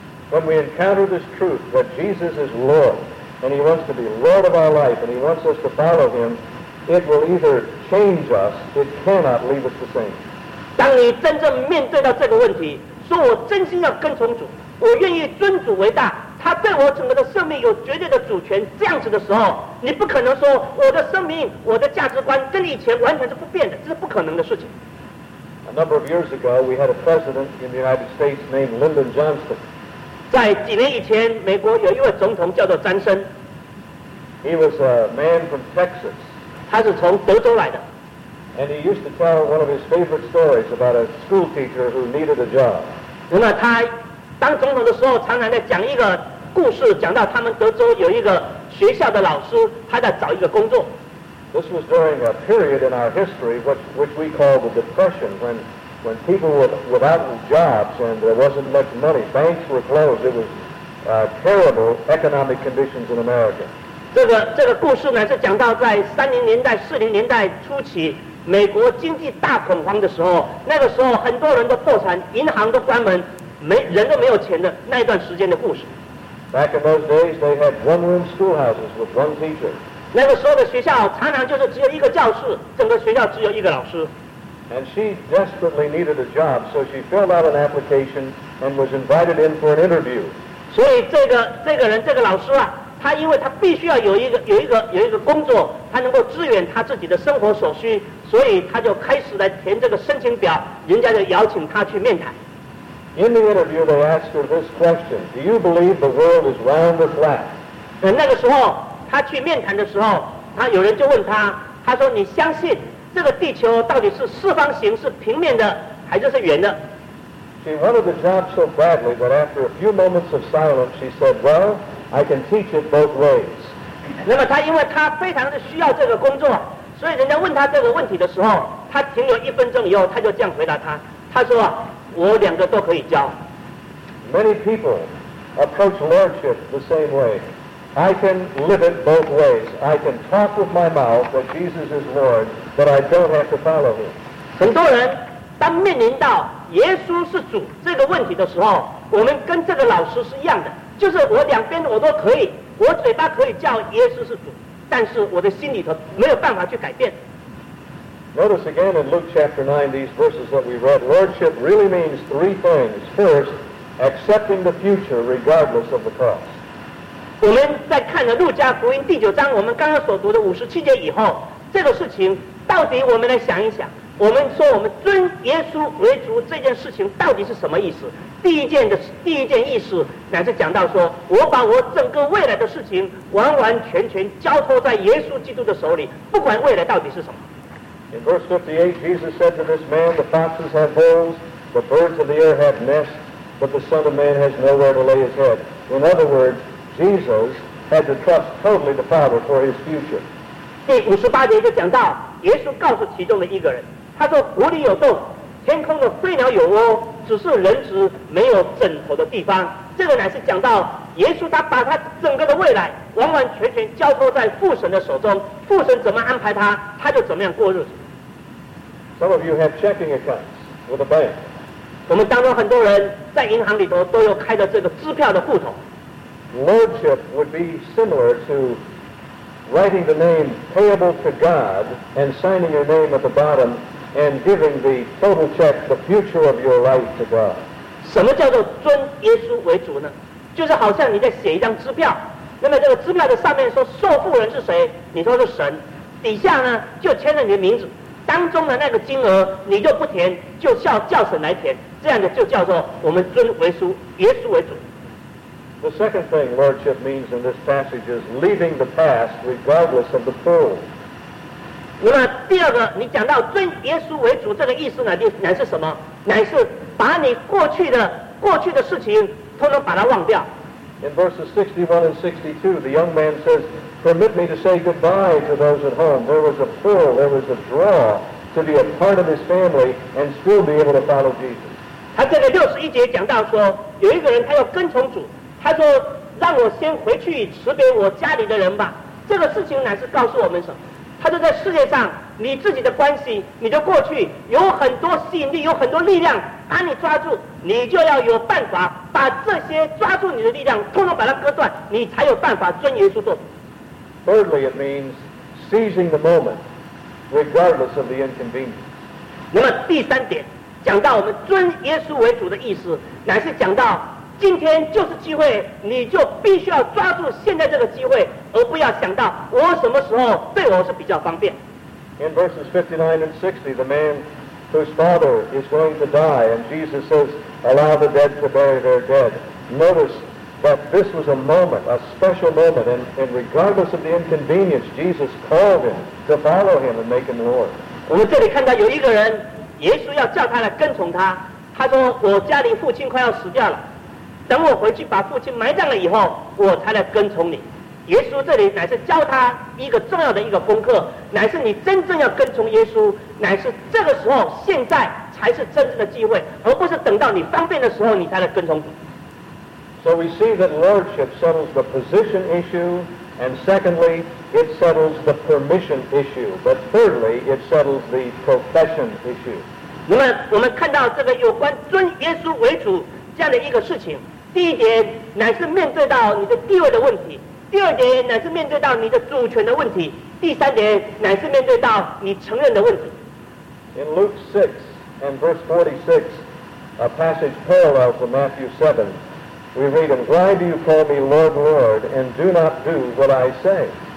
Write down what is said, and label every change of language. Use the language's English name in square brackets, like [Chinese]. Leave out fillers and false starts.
[English] When we encounter this truth that Jesus is Lord and He wants to be Lord of our life and He wants us to follow Him, it will either change us, it cannot leave us the same. [Chinese] 当你真正面对到这个问题，说我真心要跟从主，我愿意尊主为大，他对我整个的生命有绝对的主权，这样子的时候，你不可能说我的生命、我的价值观跟以前完全是不变的，这是不可能的事情。 [English] A number of years ago, we had a president in the United States named Lyndon Johnson. [Chinese] 在几年以前，美国有一位总统叫做詹森。 [English] He was a man from Texas. [Chinese] 他是从德州来的。 [English] And he used to tell one of his favorite stories about a school teacher who needed a job. [Chinese] 那他当总统的时候，常常在讲一个故事，讲到他们德州有一个学校的老师，他在找一个工作。 [English] This was during a period in our history which we call the Depression, when people were without jobs and there wasn't much money. Banks were closed. It was terrible economic conditions in America. [Chinese] 这个故事呢，是讲到在30年代、40年代初期，美国经济大恐慌的时候，那个时候很多人都破产，银行都关门。人都没有钱的那一段时间的故事。 [English] Back in those days, they had one-room schoolhouses with one teacher. [Chinese] 那个时候的学校常常就是只有一个教室，整个学校只有一个老师。 [English] And she desperately needed a job, so she filled out an application and was invited in for an interview. [Chinese] 所以这个老师啊，他因为他必须要有一个工作，他能够支援他自己的生活所需，所以他就开始来填这个申请表，人家就邀请他去面谈。 [English] In the interview, they asked her this question: Do you believe the world is round or flat? [Chinese] 那个时候，他去面谈的时候，他有人就问他，他说：“你相信这个地球到底是四方形、是平面的，还是圆的？” [English] She wanted the job so badly that after a few moments of silence, she said, "Well, I can teach it both ways." [Chinese] 那么他因为他非常的需要这个工作，所以人家问他这个问题的时候，他停留一分钟以后，他就这样回答他，他说。我两个都可以教。 [English] Many people approach lordship the same way. I can live it both ways. I can talk with my mouth that Jesus is Lord, but I don't have to follow Him. [Chinese] 很多人当面临到耶稣是主这个问题的时候，我们跟这个老师是一样的，就是我两边我都可以，我嘴巴可以叫耶稣是主，但是我的心里头没有办法去改变。 [English] Notice again in Luke chapter 9, these verses that we read, lordship really means three things. First, accepting the future regardless of the cost. [Chinese] 我们在看了路加福音第九章，我们刚刚所读的57节以后，这个事情到底我们来想一想，我们说我们尊耶稣为主这件事情到底是什么意思？第一件意思乃是讲到说，我把我整个未来的事情完完全全交托在耶稣基督的手里，不管未来到底是什么。 [English] In verse 58, Jesus said to this man, The foxes have holes, the birds of the air have nests, but the Son of Man has nowhere to lay his head. In other words, Jesus had to trust totally the Father for his future. [Chinese] 第五十八节就讲到，耶稣告诉其中的一个人，他说：“湖里有洞，天空的飞鸟有窝，只是人子没有枕头的地方。” 这个乃是讲到耶稣他把他整个的未来完完全全交托在父神的手中，父神怎么安排他，他就怎么样过日子。 [English] Some of you have checking accounts with a bank. [Chinese] 我们当中很多人在银行里头都有开的这个支票的户头。 [English] Lordship would be similar to writing the name payable to God and signing your name at the bottom and giving the total check, the future of your life to God. [Chinese] 什么叫做尊耶稣为主呢？就是好像你在写一张支票，那么这个支票的上面说受付人是谁，你说是神，底下呢就签了你的名字，当中的那个金额你就不填，就叫神来填，这样的就叫做我们尊为书耶稣为主。 [English] The second thing lordship means in this passage is leaving the past regardless of the pull. [Chinese] 那么第二个你讲到尊耶稣为主这个意思呢，乃是什么，乃是把你过去的过去的事情通通把它忘掉。 [English] In verses 61 and 62, the young man says, permit me to say goodbye to those at home. There was a pull, there was a draw to be a part of his family and still be able to follow Jesus. [Chinese] 他这个61节讲到说，有一个人他要跟从主，他说，让我先回去辞别我家里的人吧。这个事情乃是告诉我们什么？他说，在世界上，你自己的关系，你的过去，有很多吸引力，有很多力量把你抓住，你就要有办法把这些抓住你的力量通通把它割断，你才有办法遵耶稣做。 [English] Thirdly, it means seizing the moment, regardless of the inconvenience. [Chinese] 那么第三点，讲到我们遵耶稣为主的意思，乃是讲到今天就是机会，你就必须要抓住现在这个机会，而不要想到我什么时候对我是比较方便。 [English] In verses 59 and 60, the man whose father is going to die, and Jesus says, allow the dead to bury their dead. Notice that this was a moment, a special moment, and regardless of the inconvenience, Jesus called him to follow him and make him Lord. [Chinese] 我们这里看到有一个人，耶稣要叫他来跟从他，他说，我家里父亲快要死掉了，等我回去把父亲埋葬了以后，我才来跟从你。耶稣这里乃是教他一个重要的一个功课，乃是你真正要跟从耶稣，乃是这个时候，现在才是真正的机会，而不是等到你方便的时候你才来跟从主。 [English] So we see that lordship settles the position issue, and secondly, it settles the permission issue, but thirdly, it settles the profession issue. [Chinese] 那么我们看到这个有关尊耶稣为主这样的一个事情，第一点乃是面对到你的地位的问题。第二点乃是面对到你的主权的问题，第三点乃是面对到你承认的问题。 [English] In Luke 6 and verse 46, a passage parallel to Matthew 7, we read, and why do you call me Lord, Lord, and do not do what I say?